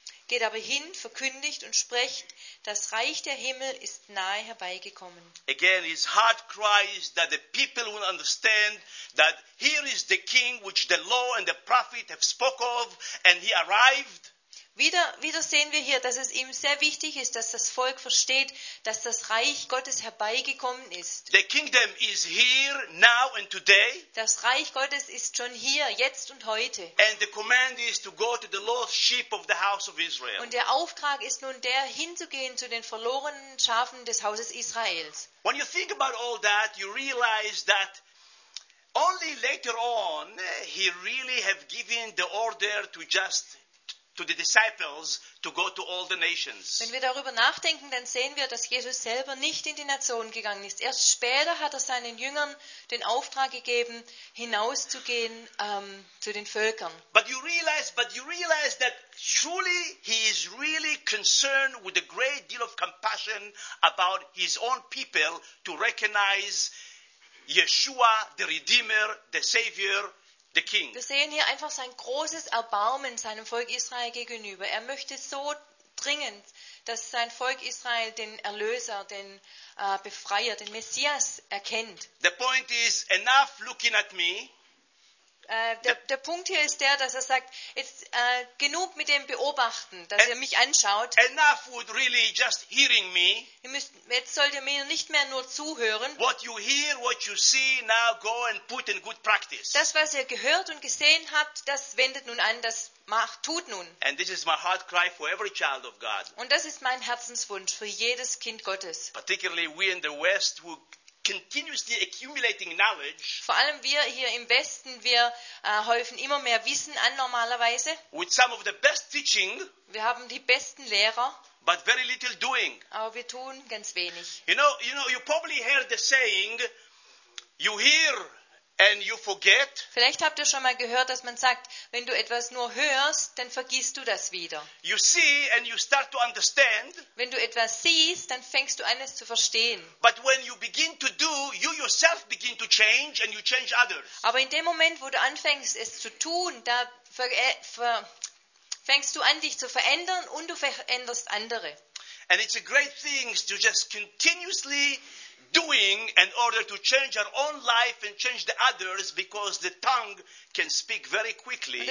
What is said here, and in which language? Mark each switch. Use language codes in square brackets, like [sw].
[de] Geht aber hin, verkündigt und sprecht, das Reich der Himmel ist nahe herbeigekommen. [en] Again, his heart cries that the people will understand that here is the king which the law and the prophet have spoke of, and he arrived. [de] Wieder sehen wir hier, dass es ihm sehr wichtig ist, dass das Volk versteht, dass das Reich Gottes herbeigekommen ist. [en] The kingdom is here, now and today. [de] Das Reich Gottes ist schon hier, jetzt und heute. [en] And the command is to go to the lost sheep of the house of Israel. [de] Und der Auftrag ist nun der, hinzugehen zu den verlorenen Schafen des Hauses Israels. [en] When you think about all that, you realize that only later on he really have given the order to just to the disciples to go to all the nations. [de] Wenn wir darüber nachdenken, dann sehen wir, dass Jesus selber nicht in die Nationen gegangen ist. Erst später hat er seinen Jüngern den Auftrag gegeben, hinauszugehen zu den Völkern. [en] But you realize that truly he is really concerned with a great deal of compassion about his own people to recognize Yeshua, the Redeemer, the Savior. [de] Wir sehen hier einfach sein großes Erbarmen seinem Volk Israel gegenüber. Er möchte so dringend, dass sein Volk Israel den Erlöser, den Befreier, den Messias erkennt. [en] The point is enough looking at me. [de] Der Punkt hier ist der, dass er sagt, jetzt genug mit dem Beobachten, dass ihr mich anschaut. [en] Enough would really just hearing me. [de] Jetzt sollt ihr mir nicht mehr nur zuhören. [en] What you hear, what you see, now go and put in good practice. [de] Das, was ihr gehört und gesehen habt, das wendet nun an, das macht, tut nun. [en] And this is my heart cry for every child of God. [de] Und das ist mein Herzenswunsch für jedes Kind Gottes. [en] Particularly we in the West who continuously accumulating knowledge. [de] Vor allem wir hier im Westen, wir häufen immer mehr Wissen an normalerweise. [en] With some of the best teaching. [de] Wir haben die besten Lehrer. [en] But very little doing. [de] Aber wir tun ganz wenig. [en] You know, you probably heard the saying, you hear and you forget. [de] Vielleicht habt ihr schon mal gehört, dass man sagt, wenn du etwas nur hörst, dann vergisst du das wieder. [en] You see and you start to understand. [de] Wenn du etwas siehst, dann fängst du an, es zu verstehen. [en] But when you begin to do, you yourself begin to change and you change others. [de] Aber in dem Moment, wo du anfängst, es zu tun, da fängst du an, dich zu verändern und du veränderst andere. [en] And it's a great thing to just continuously doing in order to change our own life and change the others, because the tongue can speak very quickly.